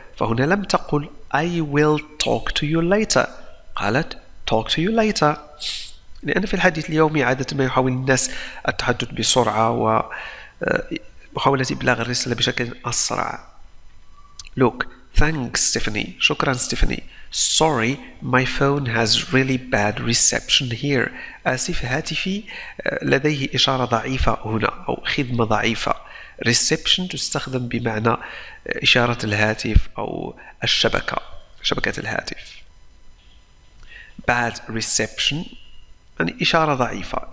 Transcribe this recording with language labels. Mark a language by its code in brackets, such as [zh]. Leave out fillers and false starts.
[ar] فهنا لم تقل [en] I will talk to you later. [ar] قالت [en] talk to you later. [ar] لأن في الحديث اليومي عادة ما يحاول الناس التحدث بسرعة ومحاولة إبلاغ الرسالة بشكل أسرع. [en] Look, thanks, Stephanie. [ar] شكرا, [en] Stephanie. Sorry, my phone has really bad reception here. [ar] آسف, هاتفي لديه إشارة ضعيفة هنا أو خدمة ضعيفة. Reception تستخدم بمعنى إشارة الهاتف أو الشبكة, شبكة الهاتف. Bad reception يعني إشارة ضعيفة.